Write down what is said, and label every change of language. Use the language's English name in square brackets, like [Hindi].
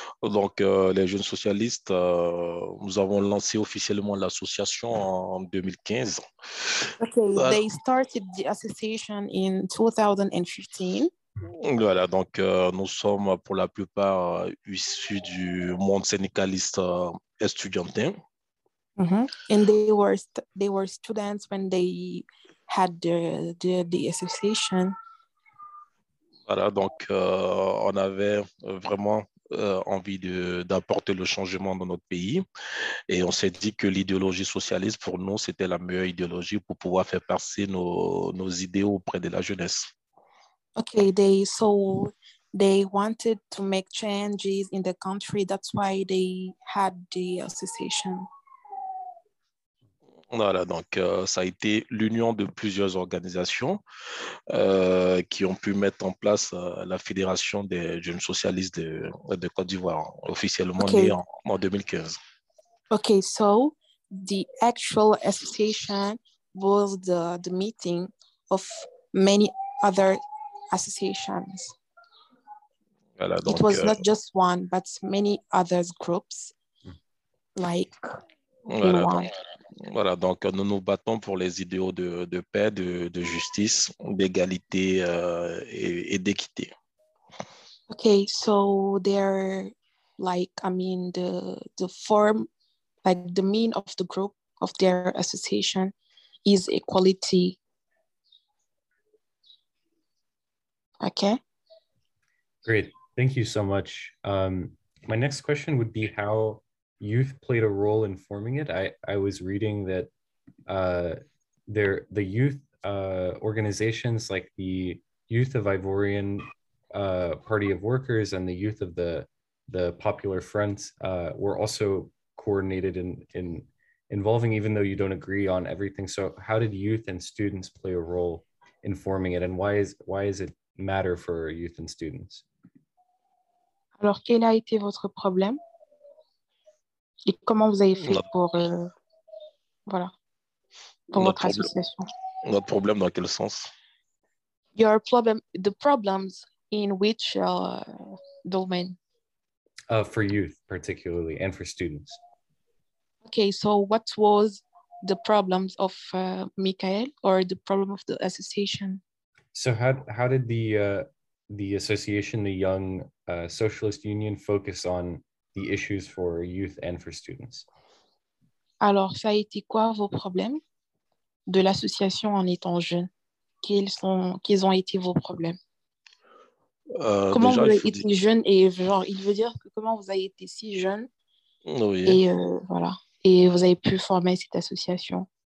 [French] Donc, les jeunes socialistes, nous avons lancé officiellement l'association en 2015. [English] Ok, they started the association in 2015. [French] Voilà, donc nous sommes pour la plupart issus du monde syndicaliste estudiantin. Mm-hmm. [English] And they were students when they had the association. [French] Voilà, donc on avait vraiment envie d'apporter le changement dans notre pays. Et on s'est dit que l'idéologie socialiste, pour nous, c'était la meilleure idéologie pour pouvoir faire passer nos idées auprès de la jeunesse. [English] Okay, they wanted to make changes in the country. That's why they had the association. [French] Voilà, donc ça a été l'union de plusieurs organisations qui ont pu mettre en place la Fédération des jeunes socialistes de Côte d'Ivoire, officiellement née en 2015. [English] Okay, so the actual association was the meeting of many other associations. [French] Voilà, donc, [English] it was not just one, but many other groups, like [French] voilà, donc nous nous battons pour les idéaux de paix, de justice, d'égalité et d'équité. [English] Okay, so they're like, I mean, the form, like the mean of the group of their association is equality. Okay. Great. Thank you so much. My next question would be how youth played a role in forming it. I was reading that the youth organizations like the Youth of Ivorian Party of Workers and the Youth of the Popular Front were also coordinated in involving, even though you don't agree on everything. So how did youth and students play a role in forming it, and why is it matter for youth and students? [French] Alors, quel a été votre problème? Et comment vous avez fait pour votre association? Notre problème dans quel sens? [English] Your problem, the problems in which domain? For youth, particularly, and for students. Okay, so what was the problems of Mikael, or the problem of the association? So how did the association, the Young Socialist Union, focus on the issues for youth and for students? [French] Alors, ça a été quoi vos problèmes de l'association en étant jeune? Quels ont été vos problèmes? Comment déjà, vous avez été jeune, et genre, il veut dire que comment vous avez été si jeune, oui. Et voilà, et vous avez pu former cette association?